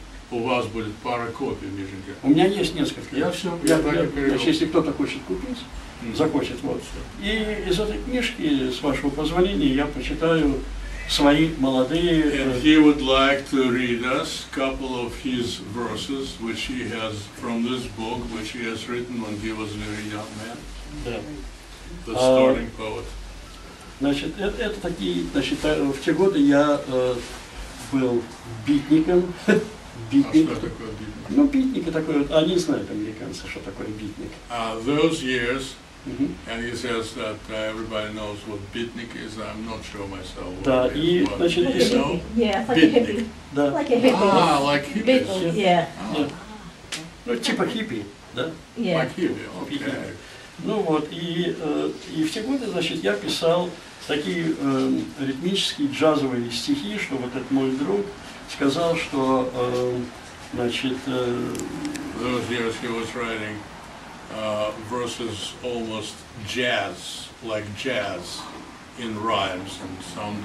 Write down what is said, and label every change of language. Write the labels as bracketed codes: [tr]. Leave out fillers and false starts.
[ru] У вас будет пара копий, Миженька. У меня есть несколько. Значит, если кто-то хочет купить, захочет, вот. И из этой книжки, с вашего позволения, я почитаю свои молодые... [en] And he would like to read us a couple of his verses, which he has from this book, which he has written when he was a very young man. Yeah. The starting poet. [ru] Значит, это такие, значит, в те годы я был битником. Битник. А что такое битник? Ну, битник такой вот, они знают, американцы, что такое битник. [en] Those years, mm-hmm. and he says that everybody knows what битник is, I'm not sure myself. [ru] Да, и, значит, [en] like [ru] если... [en] Yeah, like a hippie. Ah, like hippie. Yeah. Oh. Yeah. [ru] Ну, типа хиппи, да? [en] Yeah. Like hippie, okay. [ru] Ну вот, и в те годы, значит, я писал такие ритмические джазовые стихи, что вот этот мой друг сказал, что, значит... [en] Those years he was writing versus almost jazz, like jazz in rhymes and sound